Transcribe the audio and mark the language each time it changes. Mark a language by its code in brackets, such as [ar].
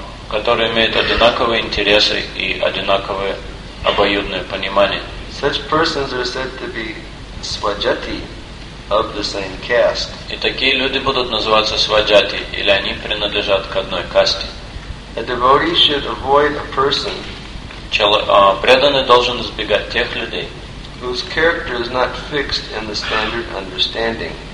[ru] Которые имеют одинаковые интересы и одинаковое обоюдное понимание. [en] Such persons are said to be swajati of the same caste. [ru] И такие люди будут называться свадьяти, или они принадлежат к одной касте. [en] A devotee should avoid a person. [ru] Преданный должен избегать тех людей, [en] whose character is not fixed in the standard understanding.